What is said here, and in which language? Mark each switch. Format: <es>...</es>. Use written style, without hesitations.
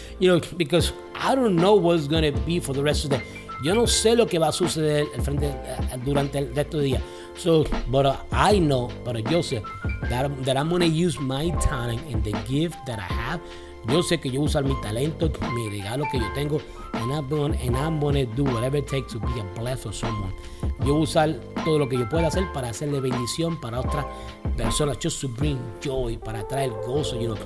<en>You know, because I don't know what's going to be for the rest of the day.</en> <es>Yo no sé lo que va a suceder al frente, durante el resto de día.</es> <en>So, but I know, but</en> <es>yo sé</es> <en>that I'm going to use my talent and the gift that I have.</en> <es>Yo sé que yo usar mi talento, mi regalo que yo tengo,</es> <en>and I'm gonna do whatever it takes to be a blessing for someone.</en> <es>Yo usar todo lo que yo pueda hacer para hacerle bendición para otras personas,</es> <en>just to bring joy,</en> <es>para traer gozo,</es> <en>you know.</en>